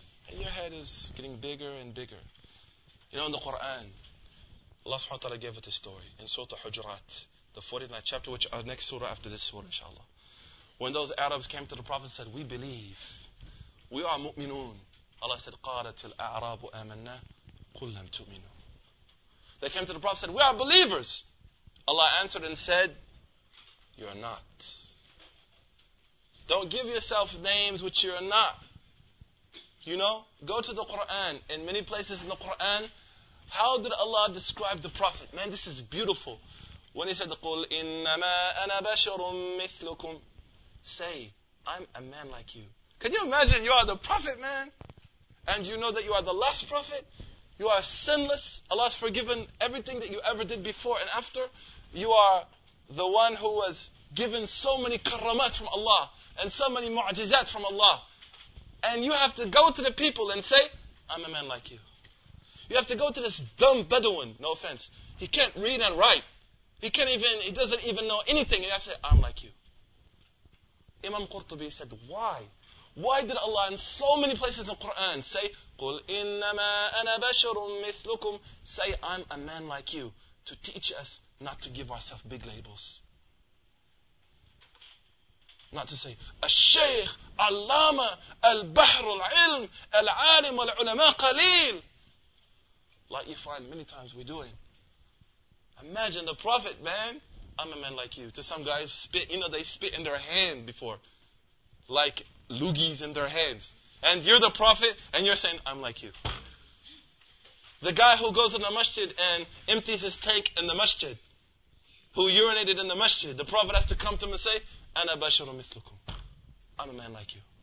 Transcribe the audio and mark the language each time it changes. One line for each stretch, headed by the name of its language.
English: And your head is getting bigger and bigger. You know, in the Quran, Allah subhanahu wa ta'ala gave it a story in Surah Al-Hujurat, the 49th chapter, which our next surah after this surah, inshallah. When those Arabs came to the Prophet and said, we believe, we are mu'minun. Allah said,
Arabic: قَالَتِ الْأَعْرَابُ أَمَنَّا قُلْ لَمْ تُؤْمِنُوا.
English: They came to the Prophet and said, we are believers. Allah answered and said, you're not. Don't give yourself names which you're not. You know, go to the Qur'an. In many places in the Qur'an, how did Allah describe the Prophet? Man, this is beautiful. When he said,
Arabic: قُلْ إِنَّمَا أَنَا بَشَرٌ مِثْلُكُمْ.
English: Say, I'm a man like you. Can you imagine you are the Prophet, man? And you know that you are the last Prophet? You are sinless. Allah has forgiven everything that you ever did before and after. You are the one who was given so many karamat from Allah and so many mu'jizat from Allah. And you have to go to the people and say, I'm a man like you. You have to go to this dumb Bedouin, no offense. He can't read and write. He doesn't even know anything. And you have to say, I'm like you. Imam Qurtubi said, why? Why did Allah in so many places in the Quran say,
Arabic: قُلْ إِنَّمَا أَنَا بَشَرٌ مِثْلُكُمْ,
English: say, I'm a man like you, to teach us not to give ourselves big labels. Not to say,
Arabic: الشيخ, علامة, البحر العلم, العالم والعلماء قليل.
English: Like you find many times we're doing. Imagine the Prophet, man, I'm a man like you. To some guys, spit, you know, they spit in their hand before. Like loogies in their hands. And you're the Prophet, and you're saying, I'm like you. The guy who goes in the masjid and empties his tank in the masjid, who urinated in the masjid, the Prophet has to come to him and say,
Arabic: أَنَا بَشَرٌ مِثْلُكُمْ,
English: I'm a man like you.